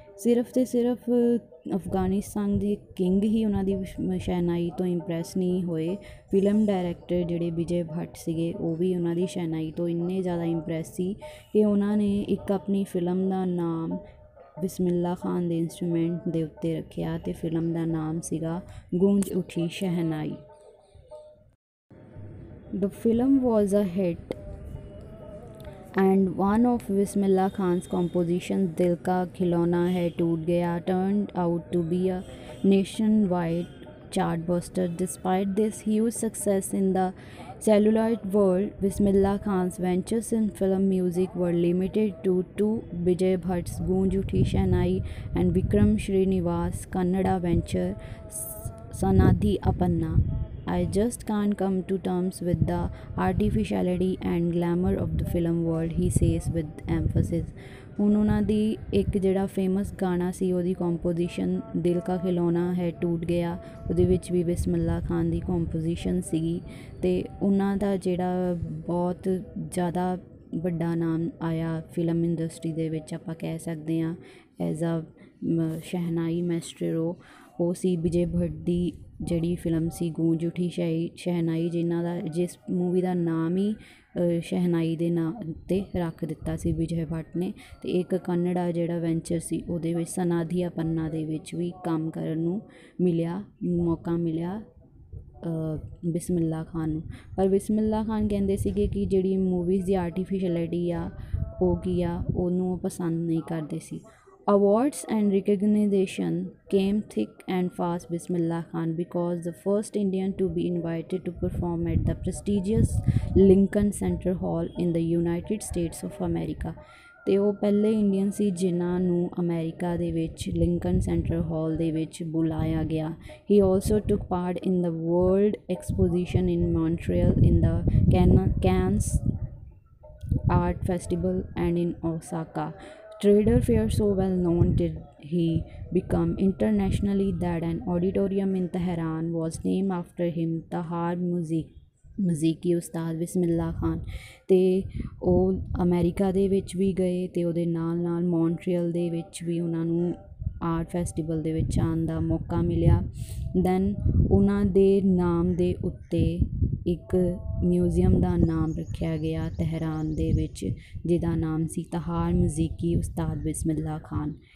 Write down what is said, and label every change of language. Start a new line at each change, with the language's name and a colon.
Punjabi: ਸਿਰਫ ਅਤੇ ਸਿਰਫ ਅਫਗਾਨਿਸਤਾਨ ਦੇ ਕਿੰਗ ਹੀ ਉਹਨਾਂ ਦੀ ਸ਼ਹਿਨਾਈ ਤੋਂ ਇੰਪ੍ਰੈਸ ਨਹੀਂ ਹੋਏ, ਫਿਲਮ ਡਾਇਰੈਕਟਰ ਜਿਹੜੇ ਵਿਜੇ ਭੱਟ ਸੀਗੇ ਉਹ ਵੀ ਉਹਨਾਂ ਦੀ ਸ਼ਹਿਨਾਈ ਤੋਂ ਇੰਨੇ ਜ਼ਿਆਦਾ ਇੰਪ੍ਰੈਸ ਸੀ ਕਿ ਉਹਨਾਂ ਨੇ ਇੱਕ ਆਪਣੀ ਫਿਲਮ ਦਾ ਨਾਮ ਬਿਸਮਿਲ੍ਲਾ ਖਾਨ ਦੇ ਇੰਸਟਰੂਮੈਂਟ ਦੇ ਉੱਤੇ ਰੱਖਿਆ ਅਤੇ ਫਿਲਮ ਦਾ ਨਾਮ ਸੀਗਾ ਗੂੰਜ ਉੱਠੀ ਸ਼ਹਿਨਾਈ।
English: The film was a hit and one of Bismillah Khan's compositions, Dil Ka Khilona Hai Toot Gaya, turned out to be a nationwide chartbuster. Despite this huge success in the celluloid world, Bismillah Khan's ventures in film music were limited to two, Vijay Bhatt's Goonj Uthi Shehnai and Vikram Srinivas' Kannada venture Sanadhi Appanna. I just can't come to terms with the artificiality and glamour of the film world, he says with emphasis.
Punjabi: ਹੁਣ ਉਹਨਾਂ ਦੀ ਇੱਕ ਜਿਹੜਾ famous ਗਾਣਾ ਸੀ ਉਹਦੀ composition ਦਿਲ ਕਾ ਖਿਲੋਣਾ ਹੈ ਟੂਟ ਗਿਆ, ਉਹਦੇ ਵਿੱਚ ਵੀ ਬਿਸਮਿਲ੍ਲਾ ਖਾਨ ਦੀ ਕੰਪੋਜੀਸ਼ਨ ਸੀਗੀ। ਅਤੇ ਉਹਨਾਂ ਦਾ ਜਿਹੜਾ ਬਹੁਤ ਜ਼ਿਆਦਾ ਵੱਡਾ ਨਾਮ ਆਇਆ ਫਿਲਮ ਇੰਡਸਟਰੀ ਦੇ ਵਿੱਚ ਆਪਾਂ ਕਹਿ ਸਕਦੇ ਹਾਂ ਐਜ਼ ਆ ਸ਼ਹਿਨਾਈ ਮੈਸਟਰੋ, ਉਹ ਸੀ ਵਿਜੇ ਭੱਟ ਦੀ ਜਿਹੜੀ ਫਿਲਮ ਸੀ ਗੂੰਜ ਉੱਠੀ ਸ਼ਹਿਨਾਈ, ਜਿਨ੍ਹਾਂ ਦਾ ਜਿਸ ਮੂਵੀ ਦਾ ਨਾਮ ਹੀ ਸ਼ਹਿਨਾਈ ਦੇ ਨਾਂ ਉੱਤੇ ਰੱਖ ਦਿੱਤਾ ਸੀ ਵਿਜੇ ਭੱਟ ਨੇ। ਅਤੇ ਇੱਕ ਕੰਨੜਾ ਜਿਹੜਾ ਵੈਂਚਰ ਸੀ ਉਹਦੇ ਵਿੱਚ ਸਨਾਧੀਆ ਪੰਨਾ ਦੇ ਵਿੱਚ ਵੀ ਕੰਮ ਕਰਨ ਨੂੰ ਮਿਲਿਆ, ਮੌਕਾ ਮਿਲਿਆ ਬਿਸਮਿਲ੍ਲਾ ਖਾਨ ਨੂੰ। ਪਰ ਬਿਸਮਿਲ੍ਲਾ ਖਾਨ ਕਹਿੰਦੇ ਸੀਗੇ ਕਿ ਜਿਹੜੀ ਮੂਵੀਜ਼ ਦੀ ਆਰਟੀਫਿਸ਼ਲਿਟੀ ਆ ਉਹ ਕੀ ਆ ਉਹਨੂੰ ਉਹ ਪਸੰਦ ਨਹੀਂ ਕਰਦੇ ਸੀ।
English: Awards and recognition came thick and fast Bismillah Khan because the first Indian to be invited to perform at the prestigious Lincoln Center Hall in the United States of America.
Punjabi: ਅਤੇ ਉਹ ਪਹਿਲੇ ਇੰਡੀਅਨ ਸੀ ਜਿਨ੍ਹਾਂ ਨੂੰ America ਦੇ ਵਿੱਚ Lincoln centre ਹਾਲ ਦੇ ਵਿੱਚ ਬੁਲਾਇਆ ਗਿਆ।
English: He also took part in the world exposition in Montreal in the Cannes art festival and in Osaka. Trader Fair so well known did he become internationally that an auditorium in Tehran was named after him, Tahar Muziki Ustad Bismillah Khan.
Punjabi: ਅਤੇ ਉਹ America ਦੇ ਵਿੱਚ ਵੀ ਗਏ ਅਤੇ ਉਹਦੇ ਨਾਲ ਨਾਲ Montreal ਦੇ ਵਿੱਚ ਵੀ ਉਹਨਾਂ ਨੂੰ ਆਰਟ ਫੈਸਟੀਵਲ ਦੇ ਵਿੱਚ ਆਉਣ ਦਾ ਮੌਕਾ ਮਿਲਿਆ। ਦੈਨ ਉਹਨਾਂ ਦੇ ਨਾਮ ਦੇ ਉੱਤੇ ਇੱਕ ਮਿਊਜ਼ੀਅਮ ਦਾ ਨਾਮ ਰੱਖਿਆ ਗਿਆ ਤਹਿਰਾਨ ਦੇ ਵਿੱਚ, ਜਿਹਦਾ ਨਾਮ ਸੀ ਤਹਾਰ ਮਜ਼ੀਕੀ ਉਸਤਾਦ ਬਿਸਮਿਲ੍ਲਾ ਖਾਨ।